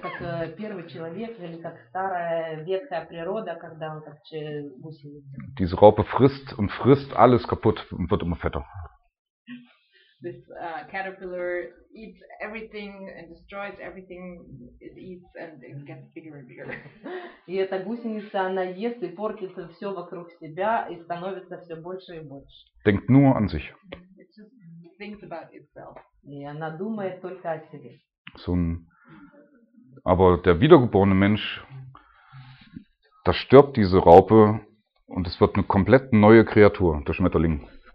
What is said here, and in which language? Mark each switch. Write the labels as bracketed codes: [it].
[ru] Как первый человек или как старая ветхая природа, когда он как гусеница. [de] Diese Raupe frisst und frisst alles kaputt und wird immer fetter. [en] This caterpillar eats everything and destroys everything it eats and it gets bigger and bigger. [ru] И эта гусеница, она ест и портит все вокруг себя и становится все больше и больше. [de] Denkt nur an sich. [en] It just thinks about itself. [ru] И она думает только о себе. [de] Aber der wiedergeborene Mensch, da stirbt diese Raupe und es wird eine komplett neue Kreatur, der Schmetterling.